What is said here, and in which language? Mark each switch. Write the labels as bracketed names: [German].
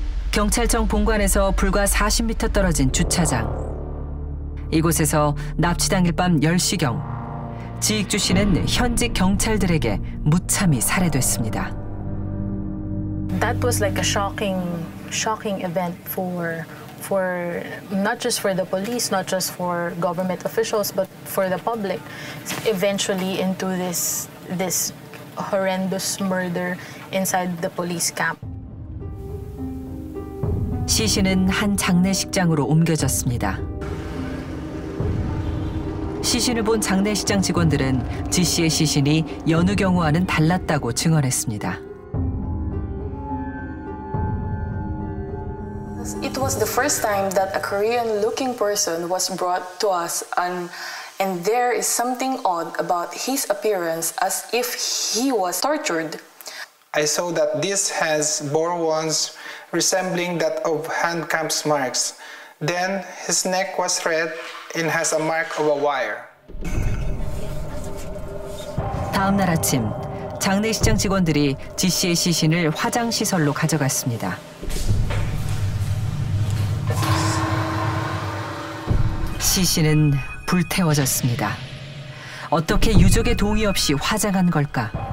[Korean] 경찰청 본관에서 불과 40m 떨어진 주차장. 이곳에서 납치 당일 밤 10시경 지익주 씨는 현지 경찰들에게 무참히 살해됐습니다. [English] That was like a shocking event for not just for the police, not just for government officials, but for the public. Eventually into this horrendous murder inside the police camp. [Korean] 시신은 한 장례식장으로 옮겨졌습니다. 시신을 본 장례식장 직원들은 지 씨의 시신이 여느 경우와는 달랐다고 증언했습니다. [English] It was the first time that a Korean-looking person was brought to us, and there is something odd about his appearance, as if he was tortured. I saw that this has boar wounds resembling that of hand clamps marks. Then his neck was red and has a mark of a wire. [Korean] 다음 날 아침, 장례식장 직원들이 지 씨의 시신을 화장시설로 가져갔습니다. 시신은 불태워졌습니다. 어떻게 유족의 동의 없이 화장한 걸까?